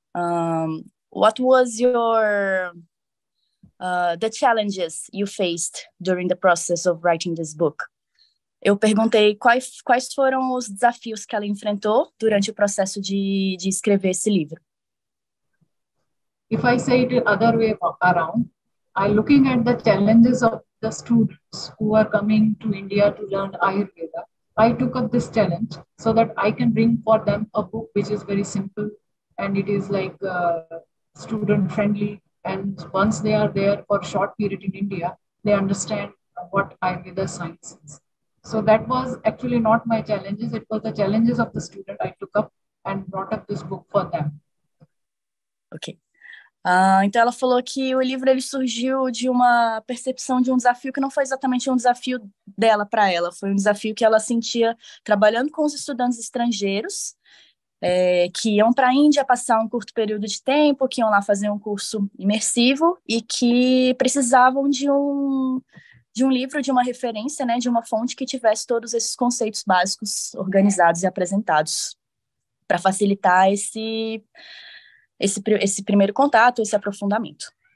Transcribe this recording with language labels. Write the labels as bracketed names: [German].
[English] What was your the challenges you faced during the process of writing this book? [Portuguese] Eu perguntei quais foram os desafios que ela enfrentou durante o processo de escrever esse livro. [English] If I say it the other way around, I'm looking at the challenges of the students who are coming to India to learn Ayurveda. I took up this challenge so that I can bring for them a book which is very simple and it is like student friendly. And once they are there for short period in India, they understand what Ayurveda science is. So that was actually not my challenges. It was the challenges of the student I took up and brought up this book for them. Okay. [Portuguese] Então ela falou que o livro ele surgiu de uma percepção de um desafio que não foi exatamente um desafio dela para ela, foi um desafio que ela sentia trabalhando com os estudantes estrangeiros que iam para a Índia passar um curto período de tempo, que iam lá fazer um curso imersivo e que precisavam de um livro, de uma referência, né, de uma fonte que tivesse todos esses conceitos básicos organizados e apresentados para facilitar esse primeiro contato, esse aprofundamento.